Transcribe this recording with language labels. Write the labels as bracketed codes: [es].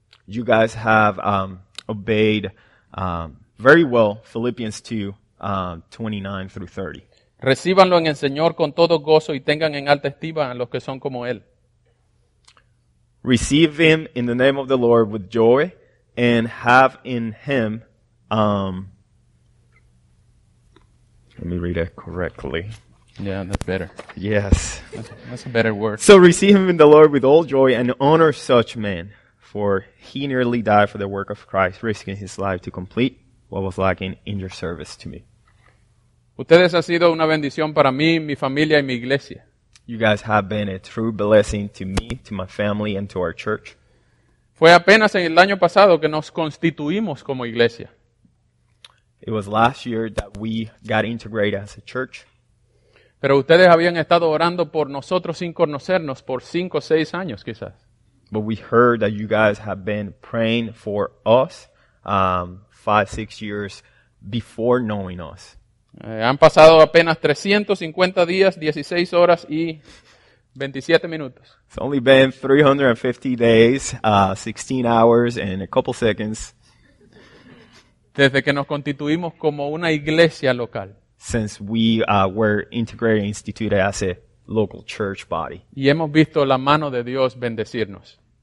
[en] You guys have obeyed very well Philippians 2, 29 through 30. [es] Recíbanlo en el Señor con todo gozo y tengan en alta estima a los que son como Él. [en] Receive Him in the name of the Lord with joy and have in Him, let me read it correctly. Yeah, that's better. Yes. That's a better word. So receive Him in the Lord with all joy and honor such men, for He nearly died for the work of Christ, risking His life to complete what was lacking in your service to me. [es] Ustedes han sido una bendición para mí, mi familia y mi iglesia. [en] You guys have been a true blessing to me, to my family, and to our church. [es] Fue apenas en el año pasado que nos constituimos como iglesia. [en] It was last year that we got integrated as a church. [es] Pero ustedes habían estado orando por nosotros sin conocernos por 5 o 6 años quizás. [en] But we heard that you guys have been praying for us 5, 6 years before knowing us. [es] Han pasado apenas 350 días, 16 horas y 27 minutos. [en] It's only been 350 days, 16 hours and a couple seconds. [es] Desde que nos constituimos como una iglesia local. [en] Since we were integrated and instituted as a local church body. [es] Y hemos visto la mano de Dios bendecirnos.